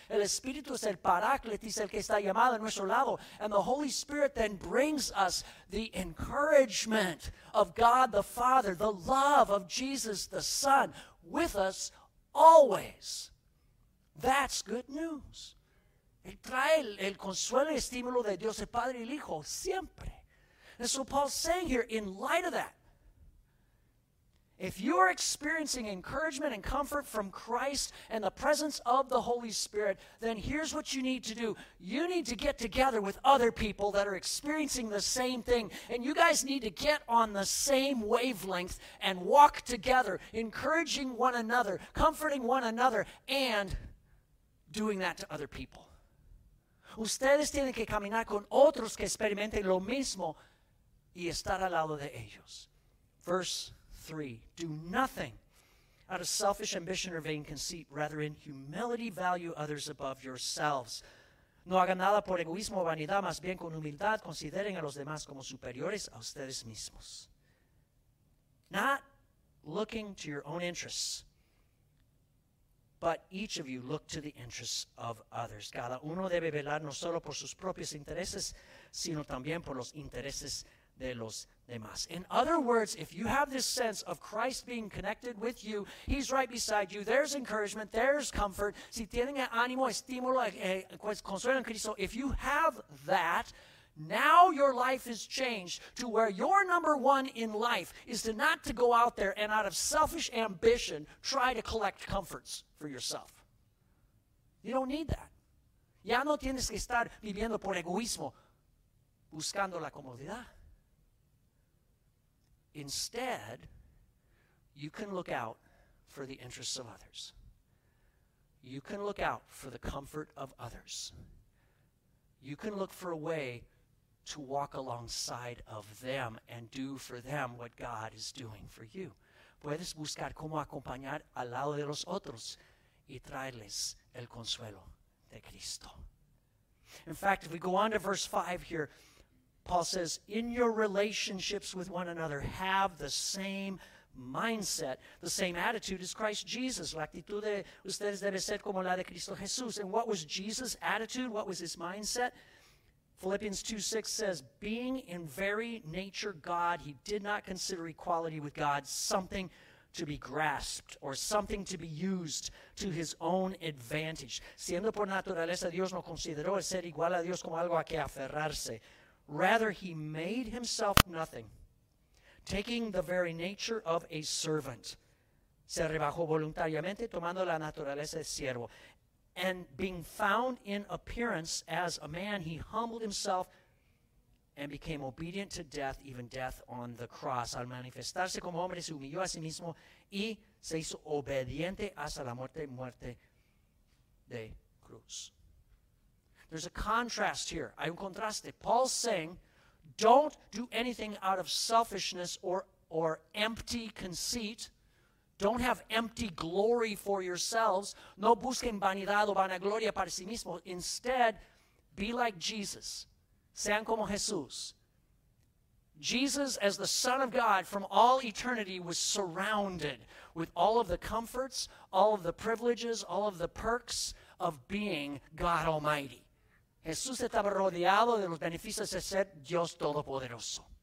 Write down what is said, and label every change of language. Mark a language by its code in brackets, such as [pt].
[es] El Espíritu es el paráclitis, el que está llamado a nuestro lado. [en] And the Holy Spirit then brings us the encouragement of God the Father, the love of Jesus the Son, with us always. That's good news. [es] Él trae el consuelo y estímulo de Dios el Padre y el Hijo siempre. [en] And so Paul's saying here, in light of that, if you are experiencing encouragement and comfort from Christ and the presence of the Holy Spirit, then here's what you need to do. You need to get together with other people that are experiencing the same thing. And you guys need to get on the same wavelength and walk together, encouraging one another, comforting one another, and doing that to other people. [es] Ustedes tienen que caminar con otros que experimenten lo mismo y estar al lado de ellos. [en] Verse 3, do nothing out of selfish ambition or vain conceit, rather in humility value others above yourselves. [es] No hagan nada por egoísmo o vanidad, más bien con humildad, consideren a los demás como superiores a ustedes mismos. [en] Not looking to your own interests, but each of you look to the interests of others. [es] Cada uno debe velar no solo por sus propios intereses, sino también por los intereses de los demás. [en] In other words, if you have this sense of Christ being connected with you, he's right beside you, there's encouragement, there's comfort. [es] Si tienen ánimo, estímulo, consuelo en Cristo, [en] if you have that, now your life is changed to where your number one in life is to not to go out there and out of selfish ambition try to collect comforts for yourself. You don't need that. [es] Ya no tienes que estar viviendo por egoísmo, buscando la comodidad. [en] Instead, you can look out for the interests of others. You can look out for the comfort of others. You can look for a way to walk alongside of them and do for them what God is doing for you. [es] Puedes buscar cómo acompañar al lado de los otros y traerles el consuelo de Cristo. [en] In fact, if we go on to verse 5 here, Paul says, in your relationships with one another, have the same mindset, the same attitude as Christ Jesus. [es] La actitud de ustedes debe ser como la de Cristo Jesús. [en] And what was Jesus' attitude? What was his mindset? Philippians 2:6 says, being in very nature God, he did not consider equality with God something to be grasped or something to be used to his own advantage. [es] Siendo por naturaleza, Dios no consideró el ser igual a Dios como algo a que aferrarse. [en] Rather, he made himself nothing, taking the very nature of a servant. [es] Se rebajó voluntariamente, tomando la naturaleza de siervo. [en] And being found in appearance as a man, he humbled himself and became obedient to death, even death on the cross. [es] Al manifestarse como hombre, se humilló a sí mismo y se hizo obediente hasta la muerte, muerte de cruz. [en] There's a contrast here. [es] Hay un contraste. [en] Paul's saying, don't do anything out of selfishness or empty conceit. Don't have empty glory for yourselves. [es] No busquen vanidad o vanagloria para sí mismo. [en] Instead, be like Jesus. [es] Sean como Jesús. [en] Jesus, as the Son of God, from all eternity, was surrounded with all of the comforts, all of the privileges, all of the perks of being God Almighty. [es] Jesús estaba rodeado de los beneficios de ser Dios Todopoderoso.